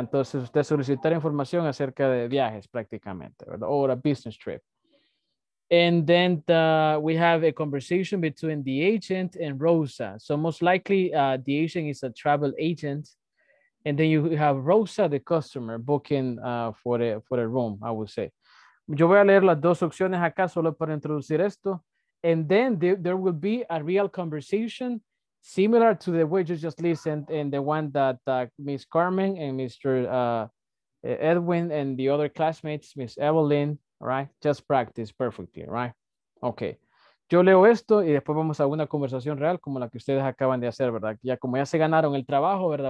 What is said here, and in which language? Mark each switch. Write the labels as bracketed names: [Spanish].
[Spanish] Entonces, usted solicitará información acerca de viajes prácticamente, ¿verdad? [English] Or a business trip. And then we have a conversation between the agent and Rosa. So most likely the agent is a travel agent. And then you have Rosa, the customer, booking for a room, I would say. [Spanish] Yo voy a leer las dos opciones acá solo para introducir esto. [English] And then there will be a real conversation similar to the way you just listened and the one that Miss Carmen and Mr. Edwin and the other classmates, Miss Evelyn, right? Just practice perfectly, right? Okay. [Spanish] Yo leo esto y después vamos a una conversación real como la que ustedes acaban de hacer, ¿verdad? Ya como ya se ganaron el trabajo, ¿verdad?